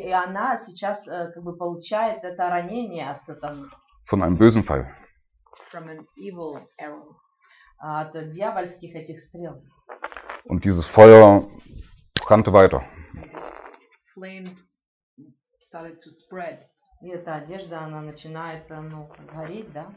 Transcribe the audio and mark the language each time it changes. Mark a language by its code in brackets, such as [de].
[ru] И она сейчас как бы получает это ранение от сатаны. [de] Von einem bösen Fall. [en] From an evil arrow. [ru] От дьявольских этих стрел. [de] Und dieses Feuer brannte weiter. [en] Flame started to spread. [ru] И эта одежда, она начинает гореть, да?